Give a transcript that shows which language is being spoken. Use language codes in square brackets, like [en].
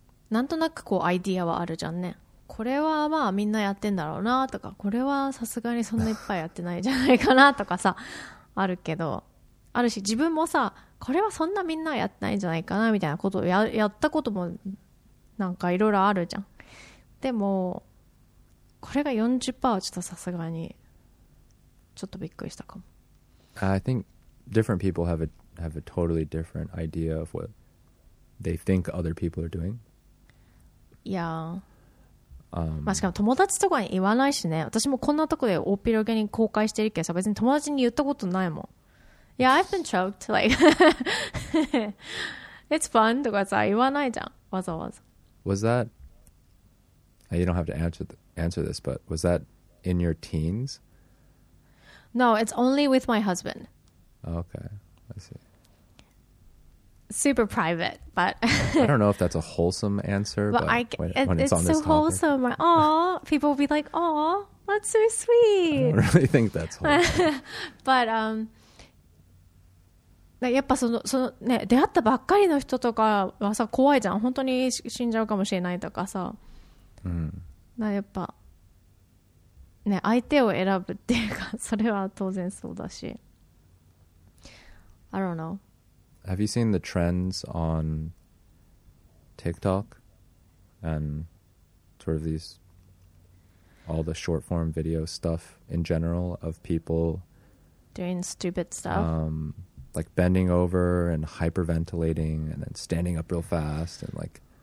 [ja] なんとなくこうアイディアはあるじゃんね、これはまあみんなやってんだろうなとか、これはさすがにそんないっぱいやってないじゃないかなとかさあるけど、あるし自分もさ、これはそんなみんなやってないんじゃないかなみたいなことを やったこともなんかいろいろあるじゃん。でもこれが 40% はちょっとさすがにちょっとびっくりしたかも。 [en] I think different people have a totally different idea of what they think other people are doing. Yeah. [ja] まあ、しかも友達とかに言わないしね。私もこんなとこで大広げに公開してるけどさ、別に友達に言ったことないもん。 [en] Yeah, I've been choked. Like, it's fun [ja] とかさ、言わないじゃん。わざわざ。 [en] Was that? You don't have to answer this, but was that in your teens? No, it's only with my husband. Okay, I see. Super private, but I don't know if that's a wholesome answer. But it's so wholesome. Aw, people will be like, "Aw, that's so sweet." I don't really think that's wholesome. [ja] But やっぱそのね、出会ったばっかりの人とかはさ、怖いじゃん。本当に死んじゃうかもしれないとかさ。 Mm. だからやっぱね、相手を選ぶっていうか、それは当然そうだし。 [en] I don't know. Have you seen the trends on TikTok and sort of these all the short form video stuff in general of people doing stupid stuff, like bending over and hyperventilating and then standing up real fast and like,